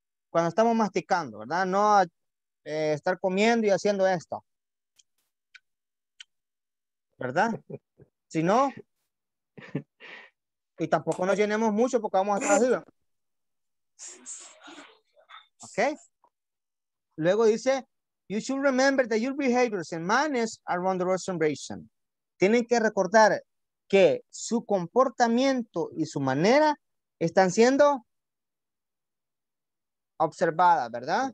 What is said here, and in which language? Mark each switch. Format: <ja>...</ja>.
<es>Cuando estamos masticando, ¿verdad? No estar comiendo y haciendo esto. ¿Verdad? Si no, y tampoco nos llenemos mucho porque vamos a estar así. ¿Ok?</es> <en>Luego dice, you should remember that your behaviors and manners are under observation.</en> <es>Tienen que recordar que su comportamiento y su manera están siendo observadas, ¿verdad?</es>